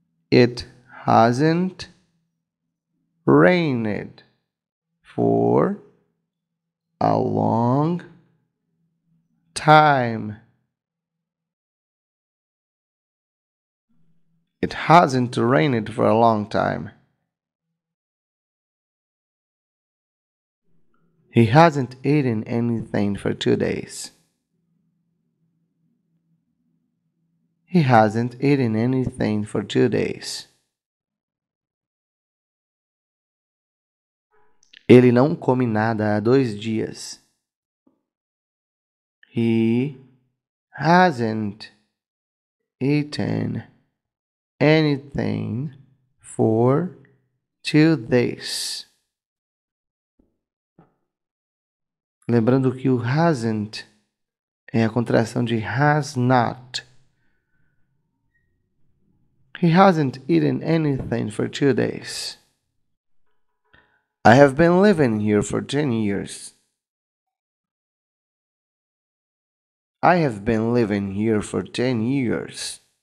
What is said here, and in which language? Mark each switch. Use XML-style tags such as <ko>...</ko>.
<en>It hasn't rained for a long time. It hasn't rained for a long time. He hasn't eaten anything for 2 days. He hasn't eaten anything for 2 days.</en> <pt>Ele não come nada há 2 dias.</pt> <en>He hasn't eaten anything for 2 days.</en> <pt>Lembrando que o hasn't é a contração de has not.</pt> <en>He hasn't eaten anything for 2 days. I have been living here for 10 years. I have been living here for 10 years.</en>